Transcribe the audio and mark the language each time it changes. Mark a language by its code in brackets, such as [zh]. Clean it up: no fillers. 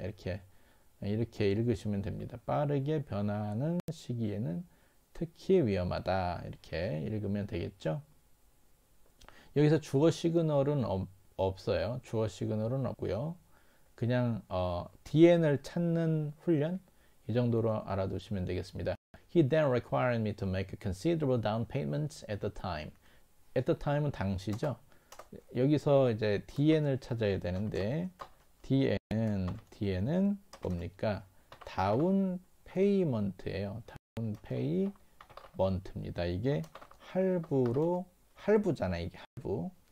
[ko] 이렇게 읽으시면 됩니다. 빠르게 변하는 시기에는 특히 위험하다. 이렇게 읽으면 되겠죠? 여기서 주어 시그널은 없어요. 주어 시그널은 없고요. 그냥 DN을 찾는 훈련 이 정도로 알아두시면 되겠습니다. [en] He then required me to make a considerable down payments at the time. At the time [ko] 은 당시죠. 여기서 이제 DN을 찾아야 되는데 DN은 뭡니까? 다운 페이먼트예요. 다운 페이먼트입니다. 이게 할부로 할부잖아, 이게 할부.